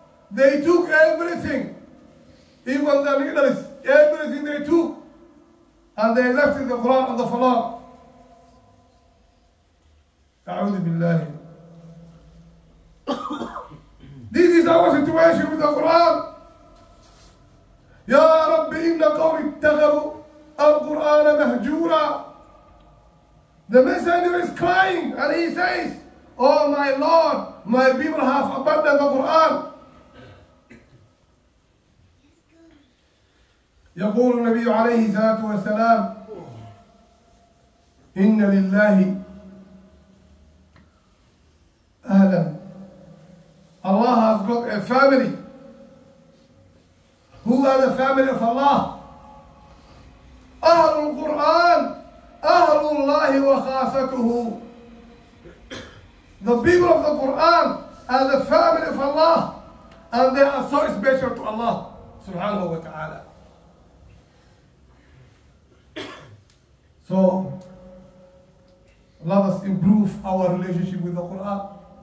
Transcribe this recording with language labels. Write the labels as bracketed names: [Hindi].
[English] They took everything, even the needles, everything they took, and they left the Quran on the floor. [Arabic] أعوذ بالله. [English] This is our situation with the Quran. [Arabic] يا رب إن قومي اتخذوا القرآن مهجورا. [English] The messenger is crying and he says, Oh my Lord, my people have abandoned the Quran. [Arabic] يقول النبي عليه الصلاة والسلام: إن لله أهلا. [English] Allah has got a family. Who are the family of Allah? [Arabic] أهل القرآن أهل الله وخاصته. [English] The people of the Quran are the family of Allah and they are so special to Allah سبحانه وتعالى. So let us improve our relationship with the Quran.